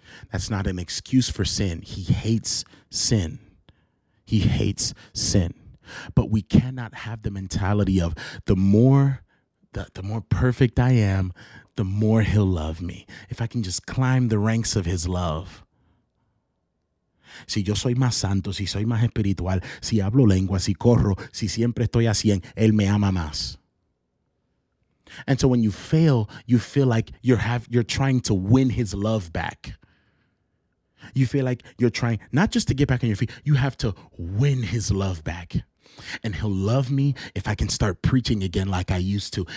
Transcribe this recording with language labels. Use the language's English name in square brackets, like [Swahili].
[English] That's not an excuse for sin. He hates sin. He hates sin. But we cannot have the mentality of the more perfect I am, the more he'll love me. If I can just climb the ranks of his love. [Spanish] Si yo soy más santo, si soy más espiritual, si hablo lengua, si corro, si siempre estoy a 100, él me ama más. [English] And so when you fail, you feel like you're trying to win his love back. You feel like you're trying not just to get back on your feet, you have to win his love back. And he'll love me if I can start preaching again like I used to.